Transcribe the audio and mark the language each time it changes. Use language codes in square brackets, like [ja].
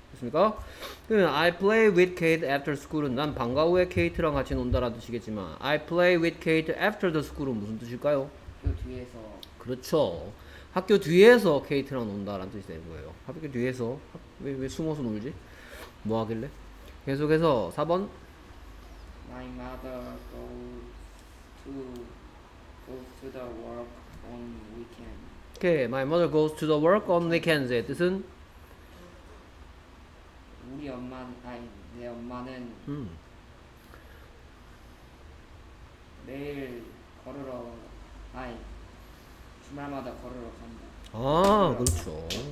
[ko] 됐습니까? 그러면 [en] I play with Kate after school [ko] 은 난 방과 후에 Kate랑 같이 논다라는 뜻이겠지만 [en] I play with Kate after the school [ko] 은 무슨 뜻일까요? 학교 뒤에서. 그렇죠. 학교 뒤에서 Kate랑 논다라는 뜻이 되는 거예요. 학교 뒤에서 왜 숨어서 놀지? 뭐 하길래? 계속해서 4번 [en] My mother goes to goes to the work on weekend. Okay, my mother goes to the work on weekends. [ko] 의 뜻은 우리 엄마, 아니 내 엄마는 매일 걸으러, 아니 주말마다 걸으러 간다. 아, 걸으러 그렇죠.